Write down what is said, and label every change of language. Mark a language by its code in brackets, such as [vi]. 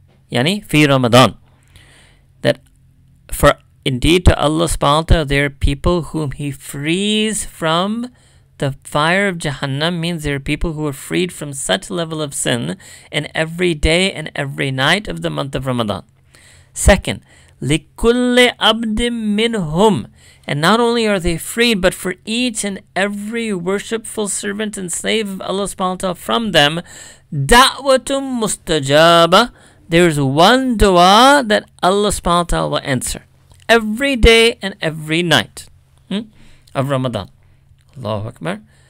[en] Yani, fi Ramadan. That for indeed, to Allah subhanahu wa ta'ala, there are people whom He frees from the fire of Jahannam, means there are people who are freed from such level of sin in every day and every night of the month of Ramadan. [ar] Second, لِكُلِّ عَبْدٍ مِّنْهُمْ. [en] And not only are they freed, but for each and every worshipful servant and slave of Allah subhanahu wa ta'ala from them, [ar] دَعْوَةٌ مُسْتَجَابَةٌ. [en] There is one dua that Allah subhanahu wa ta'ala will answer. Every day and every night of Ramadan. Allahu Akbar.